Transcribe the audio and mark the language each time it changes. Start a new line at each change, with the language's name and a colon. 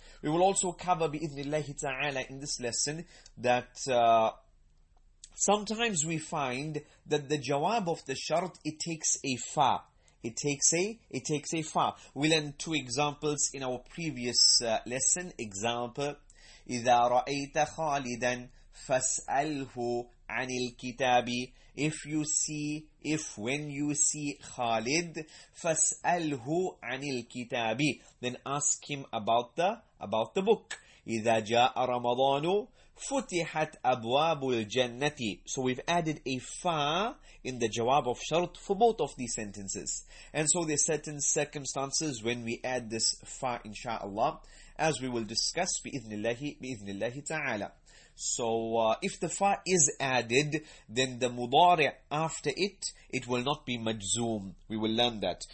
English: We will also cover bi-ithnillahi ta'ala in this lesson that sometimes we find that the jawab of the shart, it takes a fa. It takes a fa. We learned two examples in our previous lesson.
Arabic: Example, إذا رأيت خالدا فاسأله عن الكتاب.
English: When you see
Arabic: خالد فاسأله عن الكتاب.
English: Then ask him about the book.
Arabic: إذا جاء رمضان فتحت أبواب الجنة.
English: So we've added a fa in the jawab of shart for both of these sentences. And so there's certain circumstances when we add this fa, inshallah, as we will discuss
Arabic: بإذن الله تعالى.
English: So if the fa is added, then the mudari' after it will not be majzoom. We will learn that.